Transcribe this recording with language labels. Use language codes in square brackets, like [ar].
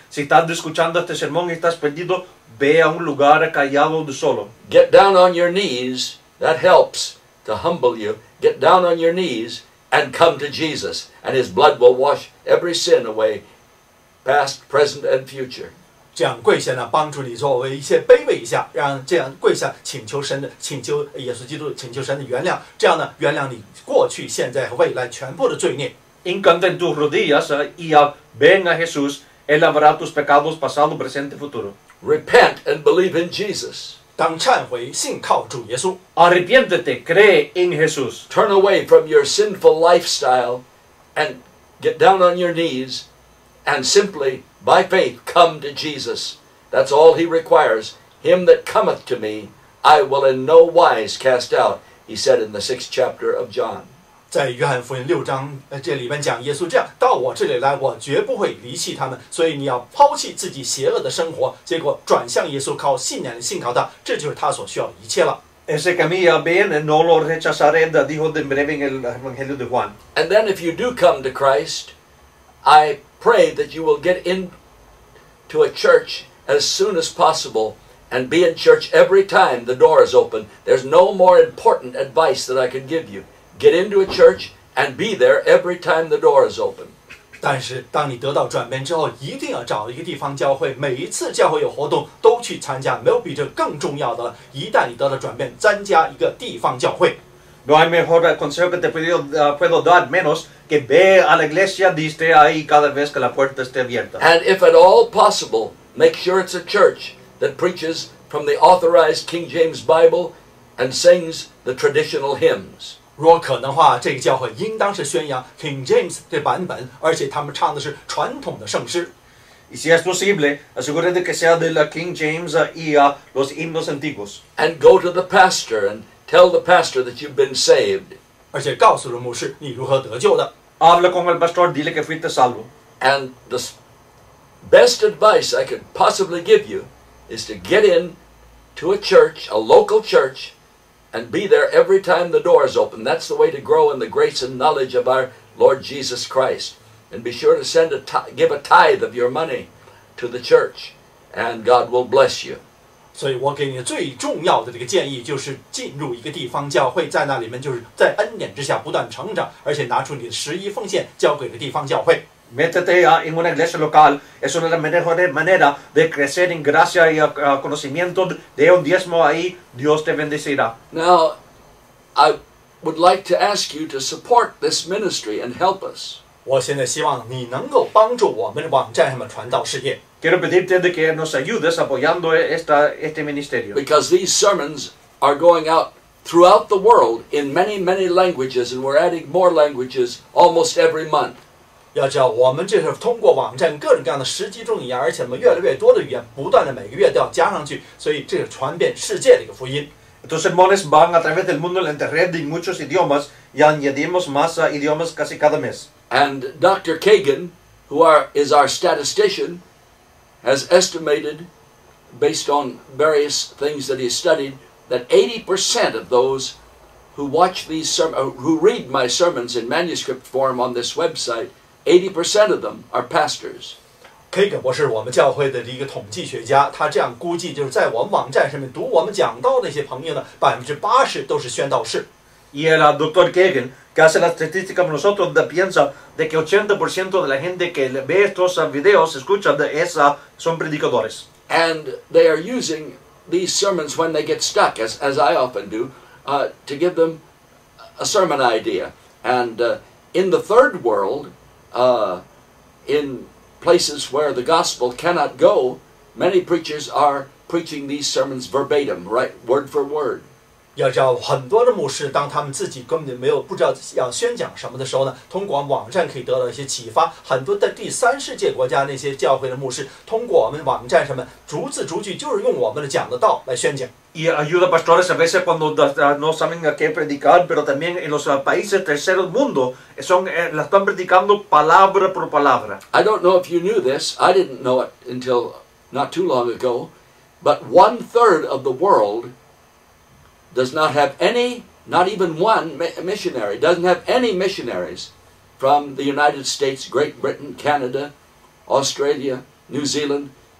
[es] Si estás escuchando este sermón y estás perdido, ve a un lugar callado de solo. [en] Get down on your knees. That helps to humble you. Get down on your knees and come to Jesus, and His blood will wash every sin away, past, present, and future. [zh] 这样跪下呢，帮助你作为一些卑微一下，让这样跪下，请求神的，请求耶稣基督，请求神的原谅，这样呢，原谅你过去、现在和未来全部的罪孽。 [es] Inclina tus rodillas y ven a Jesús. Él lavará tus pecados pasado, presente, futuro. [en] Repent and believe in Jesus. [zh] 当忏悔，信靠主耶稣。 [es] Arrepiéntete, cree en Jesús. [en] Turn away from your sinful lifestyle and get down on your knees and simply, by faith, come to Jesus. That's all he requires. Him that cometh to me, I will in no wise cast out, he said in the 6th chapter of John. [zh] 在约翰福音6章这里面讲，耶稣这样，到我这里来，我绝不会离弃他们。所以你要抛弃自己邪恶的生活，结果转向耶稣，靠信仰信靠他，这就是他所需要一切了。 [es] Ese camino viene, no lo rechazaré, dijo de breve en el Evangelio de Juan. [en] And then if you do come to Christ, I pray that you will get into a church as soon as possible and be in church every time the door is open. There's no more important advice that I can give you. Get into a church and be there every time the door is open. [zh] 但是当你得到转变之后，一定要找一个地方教会，每一次教会有活动都去参加，没有比这更重要的了。一旦你得到转变，参加一个地方教会。 [es] No hay mejor consejo que te puedo dar, menos que ve a la iglesia y esté ahí cada vez que la puerta esté abierta. [en] And if at all possible, make sure it's a church that preaches from the authorized King James Bible and sings the traditional hymns. [zh] 若可能的话，这个教会应当是宣扬 King James 这版本，而且他们唱的是传统的圣诗。 [es] Y si es posible, asegúrate que sea de la King James y los himnos antiguos. [en] And go to the pastor and tell the pastor that you've been saved. [zh] 而且告诉了牧师你如何得救的。 [es] Habla con el pastor, dile que fuiste salvo. [en] And the best advice I could possibly give you is to get in to a church, a local church, and be there every time the door is open. That's the way to grow in the grace and knowledge of our Lord Jesus Christ. And be sure to send a give a tithe of your money to the church, and God will bless you. [zh] 所以我给你最重要的这个建议就是进入一个地方教会，在那里面就是在恩典之下不断成长，而且拿出你的十一奉献交给了地方教会。 [es] Métete en una iglesia local. Es una mejor manera de crecer en gracia y conocimiento. De un diezmo ahí, Dios te bendecirá. [en] Now, I would like to ask you to support this ministry and help us. [zh] 我现在希望你能够帮助我们网站上的传道事业。 [es] Quiero pedirte de que nos ayudes apoyando este ministerio. [en] Because these sermons are going out throughout the world in many, many languages, and we're adding more languages almost every month. [zh] 要知道我们这是通过网站各种各样的十几种语言，而且越来越多的语言不断的每个月都要加上去，所以这是传遍世界的一个福音。 [es] Estos sermones van a través del mundo en la internet en muchos idiomas y añadimos más idiomas casi cada mes. [en] And Dr. Cagan, who is our statistician, has estimated, based on various things that he studied, that 80% of those who watch these who read my sermons in manuscript form on this website. 80% of them are pastors. [zh] Cagan 博士，我们教会的一个统计学家，他这样估计，就是在我们网站上面读我们讲道的那些朋友呢，80%都是宣道士。 [es] Y el doctor Cagan, que hace la estadística con nosotros, piensa de que 80% de la gente que ve estos videos, escucha de esa, son predicadores. [en] And they are using these sermons when they get stuck, as I often do, to give them a sermon idea. And in the third world. In places where the gospel cannot go, many preachers are preaching these sermons verbatim, right, word for word. [zh] 要知道，很多的牧师当他们自己根本就没有不知道要宣讲什么的时候呢，通过网站可以得到一些启发。很多的第三世界国家那些教会的牧师，通过我们网站上面逐字逐句，就是用我们的讲的道来宣讲。 [es] Y ayuda pastores a veces cuando no saben a qué predicar, pero también en los países terceros mundo la están predicando palabra por palabra. [en] I don't know if you knew this. I didn't know it until not too long ago. But 1/3 of the world does not have any, not even one missionary, doesn't have any missionaries from the United States, Great Britain, Canada, Australia, New Zealand.